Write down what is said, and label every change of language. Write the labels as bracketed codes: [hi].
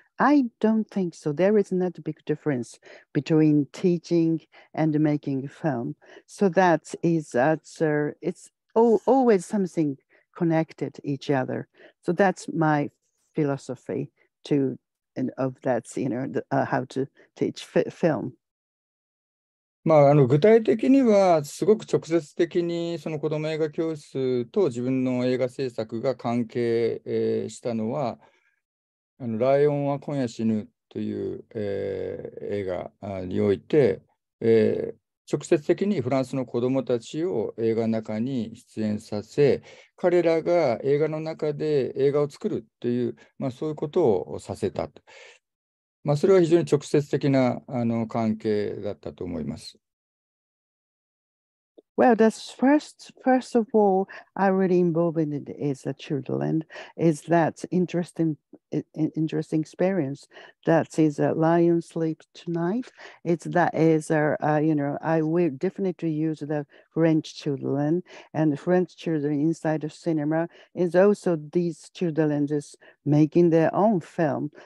[en] I don't think so. There is not a big difference between teaching and making a film. So that is, it's always something connected to each other. So that's my philosophy to, and of that, you know, the, how to teach film. [ja] まあ、具体的にはすごく直接的にその子ども映画教室と自分の映画制作が関係、したのは、あのライオンは今夜死ぬという、映画において、直接的にフランスの子どもたちを映画の中に出演させ、彼らが映画の中で映画を作るという、まあ、そういうことをさせたと。まあ、それは非常に直接的なあの関係だったと思います。 [en] Well, that's first of all, I'm really involved in it is the children. Is that interesting experience? That is a lion sleeps tonight. It's that is a, you know, I will definitely use the French children and the French children inside the cinema is also these children just making their own film.